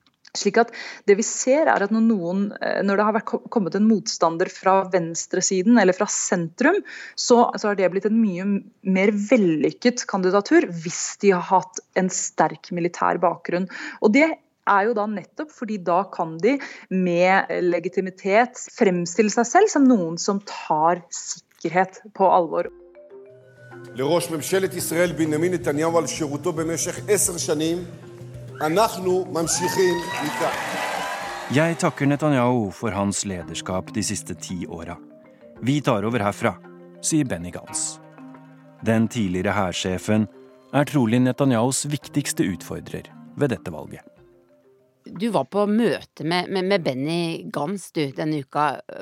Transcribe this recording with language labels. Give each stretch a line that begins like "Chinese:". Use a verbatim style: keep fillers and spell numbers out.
Norwegian: Slik at det vi ser er at når, noen, når det har vært kommet en motstander fra venstresiden eller fra sentrum, så, så har det blitt en mye mer vellykket kandidatur hvis de har hatt en sterk militær bakgrunn. Og det er jo da nettopp fordi da kan de med legitimitet fremstille seg selv som noen som tar sikkerhet på alvor.
Hebrew: לראש ממשלת ישראל בנימין נתניהו על שירותו במשך עשר שנים, אנחנו ממשיכים איתה.
Norwegian: Jeg takker Netanyahu for hans lederskap de siste ti åra. Vi tar over herfra, sier Benny Gantz. Den tidligere hærsjefen er trolig Netanyahus viktigste utfordrer ved dette valget. Du var på møte med, med, med Benny Gantz du, denne uka.